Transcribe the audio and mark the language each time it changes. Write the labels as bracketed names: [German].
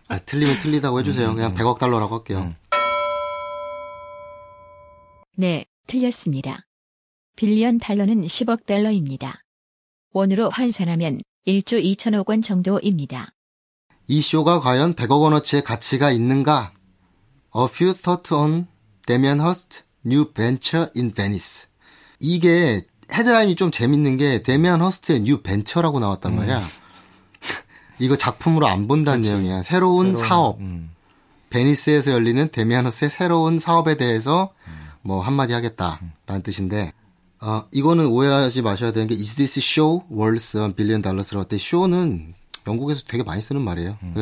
[Korean] 아, 틀리면 틀리다고 해주세요. 그냥 100억 달러라고 할게요. 네, 틀렸습니다. 빌리언 달러는 10억 달러입니다. 원으로 환산하면 1조 2천억 원 정도입니다. 이 쇼가 과연 100억 원어치의 가치가 있는가? [English] A few thoughts on Damien Hirst new venture in Venice. [Korean] 이게 헤드라인이 좀 재밌는 게 데미안허스트의 new venture라고 나왔단 말이야. 이거 작품으로 안 본다는 그치. 내용이야. 새로운 사업. 베니스에서 열리는 데미안허스트의 새로운 사업에 대해서 뭐 한마디 하겠다라는 뜻인데 이거는 오해하지 마셔야 되는 게 [English] Is this show worth a billion dollars [Korean] 라고 할 때 쇼는 영국에서 되게 많이 쓰는 말이에요.